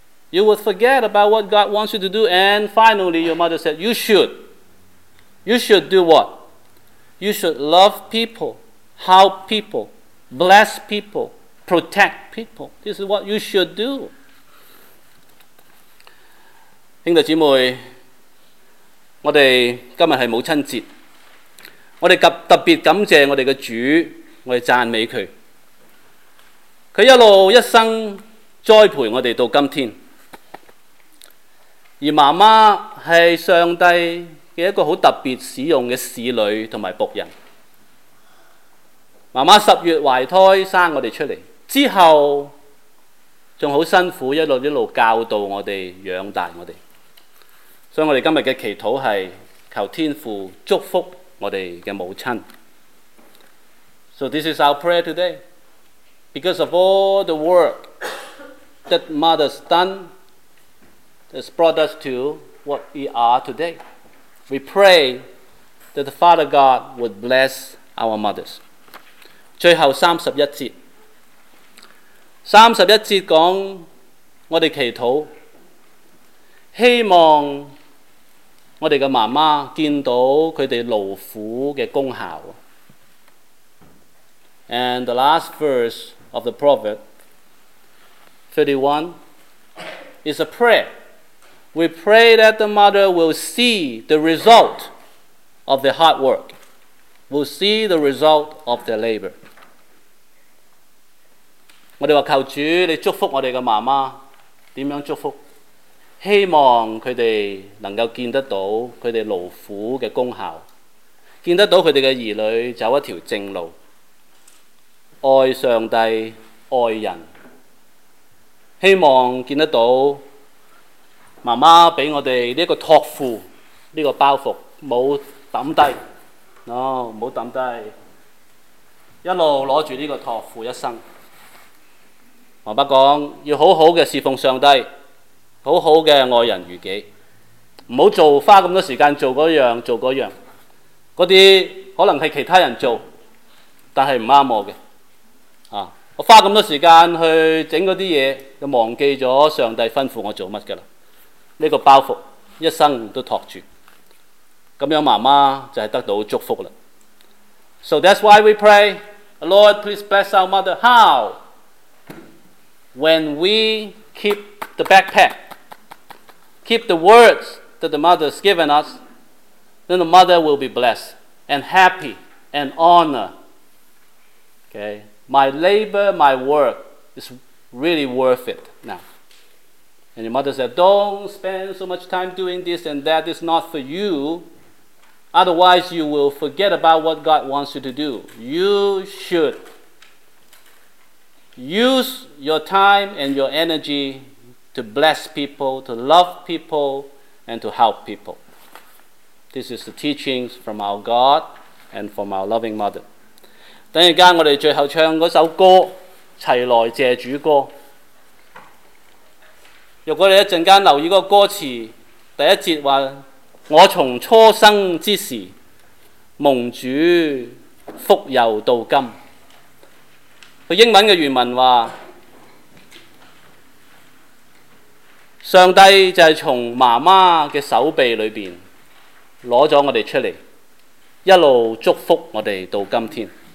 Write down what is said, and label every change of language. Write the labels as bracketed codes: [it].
[en] You will forget about what God wants you to do. And finally, your mother said, you should. You should do what? You should love people, help people, bless people, protect people. This is what you should do. [yue] 兄弟姐妹，我哋今日系母亲节，我哋特别感谢我哋嘅主，我哋赞美佢。佢一路一生栽培我哋到今天，而妈妈系上帝。一个很特别使用的侍女和仆人，妈妈十月怀胎生我们出来之后，还很辛苦，一路一路教导我们，养大我们。所以我们今天的祈祷是求天父祝福我们的母亲。 [en] So this is our prayer today. Because of all the work that mother's done, that's brought us to what we are today. We pray that the Father God would bless our mothers. [yue] 最后三十一节，三十一节讲我哋祈祷，希望我哋嘅妈妈见到佢哋劳苦嘅功效。 [en] And the last verse of the Proverb 31 is a prayer. We pray that the mother will see the result of the hard work, will see the result of the labor. [yue] 我哋话求主，你祝福我哋嘅妈妈，点样祝福？希望佢哋能够见得到佢哋劳苦嘅功效，见得到佢哋嘅儿女走一条正路，爱上帝，爱人，希望见得到。妈妈给我们这个托付，这个包袱没扔低、没扔低，一路拿着这个托付一生。妈妈说要好好的侍奉上帝，好好的爱人如己，不要做花那么多时间做那样做那样，那些可能是其他人做但是不对我的、我花那么多时间去做那些东西，就忘记了上帝吩咐我做什么了，这个包袱一生都托住，这样妈妈就得到祝福了。 [en] So that's why we pray, Lord, please bless our mother. How? When we keep the backpack, keep the words that the mother has given us, then the mother will be blessed and happy and honored. Okay? My labor, my work is really worth it now. And your mother said, don't spend so much time doing this and that is not for you. Otherwise, you will forget about what God wants you to do. You should use your time and your energy to bless people, to love people, and to help people. This is the teachings from our God and from our loving mother. [yue] 等一下我们最后唱那首歌齐来谢主歌。如果你一阵间留意个歌词，第一节话：我从初生之时，蒙主福佑到今。英文的原文话：上帝就是从妈妈的手臂里面拿了我们出来，一路祝福我们到今天。